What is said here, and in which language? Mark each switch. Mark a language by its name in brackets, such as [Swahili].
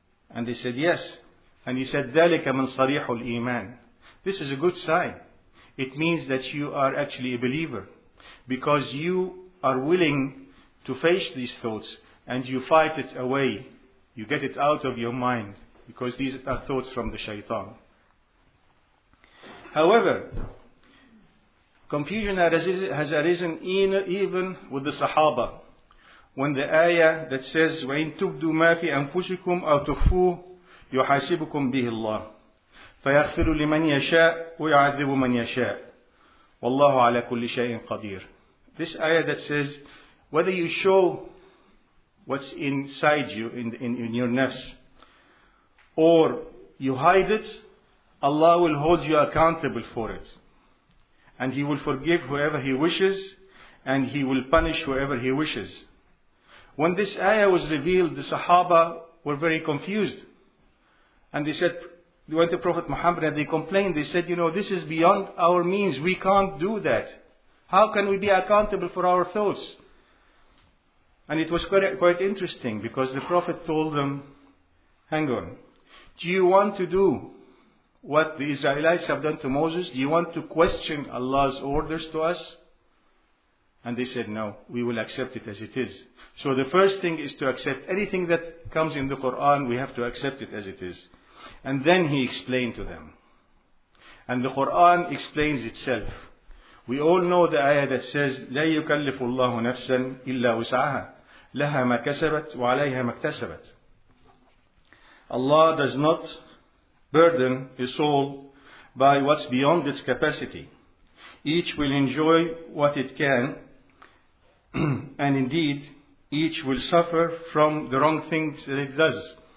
[English] And they said, "Yes." And he said, [Arabic] "Dalika min sarihul iman." [English] This is a good sign. It means that you are actually a believer, because you are willing to face these thoughts and you fight it away. You get it out of your mind, because these are thoughts from the shaitan. However, confusion has arisen even with the Sahaba, when the ayah that says, [Arabic] وَإِن تُبْدُوا مَا فِي أَنفُسِكُمْ أَوْ تُخْفُوهُ يُحَاسِبُكُمْ بِهِ اللَّهِ فَيَغْفِرُ لِمَنْ يَشَاءُ وَيَعَذِّبُ مَنْ يَشَاءُ وَاللَّهُ عَلَى كُلِّ شَيْءٍ قَدِيرٌ. [English] This ayah that says, whether you show what's inside you, in your nafs, or you hide it, Allah will hold you accountable for it. And He will forgive whoever He wishes, and he will punish whoever he wishes. When this ayah was revealed, the Sahaba were very confused. And they said, they went to Prophet Muhammad and they complained. They said, you know, this is beyond our means. We can't do that. How can we be accountable for our thoughts? And it was quite interesting because the Prophet told them, hang on, do you want to do what the Israelites have done to Moses? Do you want to question Allah's orders to us? And they said, no, we will accept it as it is. So the first thing is to accept anything that comes in the Quran, we have to accept it as it is. And then he explained to them. And the Quran explains itself. We all know the ayah that says, [Arabic] لَا يُكَلِّفُ اللَّهُ نَفْسًا إِلَّا وُسْعَهَا لَهَا مَا كَسَبَتْ وَعَلَيْهَا مَا اكْتَسَبَتْ. [English] Allah does not burden a soul by what's beyond its capacity. Each will enjoy what it can, and indeed, each will suffer from the wrong things that it does.